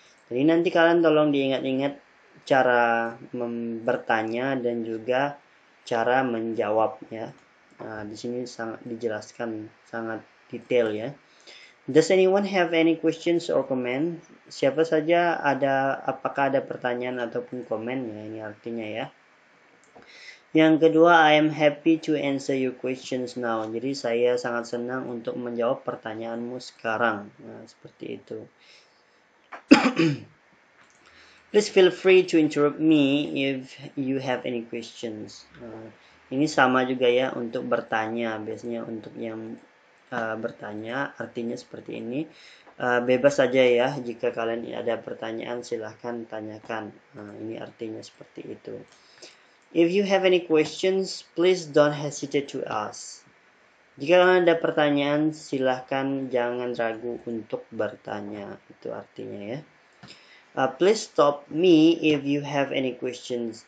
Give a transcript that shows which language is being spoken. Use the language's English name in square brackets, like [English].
[Indonesian] Jadi nanti kalian tolong diingat-ingat cara bertanya dan juga cara menjawab ya. Di sini sangat dijelaskan sangat detail ya. [English] Does anyone have any questions or comments? [Indonesian] Siapa saja ada, apakah ada pertanyaan ataupun komen ya, ini artinya ya. Yang kedua, [English] I am happy to answer your questions now. [Indonesian] Jadi saya sangat senang untuk menjawab pertanyaanmu sekarang. Nah, seperti itu. [English] Please feel free to interrupt me if you have any questions. [Indonesian] Ini sama juga ya untuk bertanya. Biasanya untuk yang bertanya artinya seperti ini. Bebas saja ya, jika kalian ada pertanyaan silahkan tanyakan. Ini artinya seperti itu. [English] If you have any questions, please don't hesitate to ask. [Indonesian] Jika kalian ada pertanyaan, silahkan jangan ragu untuk bertanya. Itu artinya ya. [English] Please stop me if you have any questions.